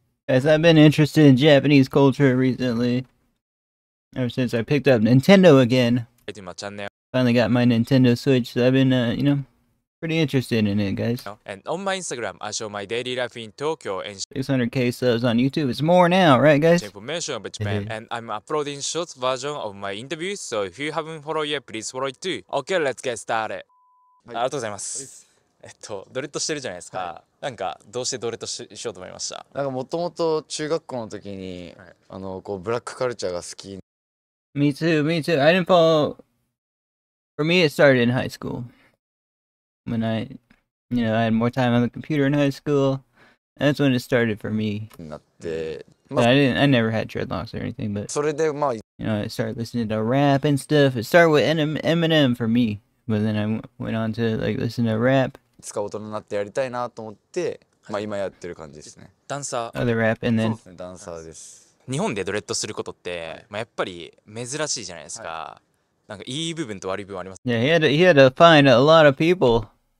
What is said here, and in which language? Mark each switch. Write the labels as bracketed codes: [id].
[en] Guys, I've been interested in Japanese culture recently. Ever since I picked up Nintendo again, finally got my Nintendo Switch, so I've been, you know, pretty interested in it, guys. And on my Instagram, I show my daily life in Tokyo and 600k subs on YouTube. It's more now, right, guys? Information about Japan, and I'm uploading short version of my interviews, so if you haven't followed yet, please follow it too. Okay, let's get started. [ja] ありがとうございます。ドレッドしてるじゃないですか。なんかどうしてドレッドしようと思いました。なんかもともと中学校の時に、こうブラックカルチャーが好き。 [en] Me too, me too. I didn't follow. For me, it started in high school. When I, you know, I had more time on the computer in high school. That's when it started for me. I never had dreadlocks or anything, but. You know, I started listening to rap and stuff. It started with Eminem for me. But then I went on to, like, listen to rap. [ja] いつか大人になってやりたいなと思って、まあ今やってる感じですね。ダンサー。 [en] Other rap and then. [ja] ダンサーです。日本でドレッドすることって、まあ、やっぱり珍しいじゃないですか。なんかいい部分と悪い部分あります。 [en] Yeah, he had to find a lot of people.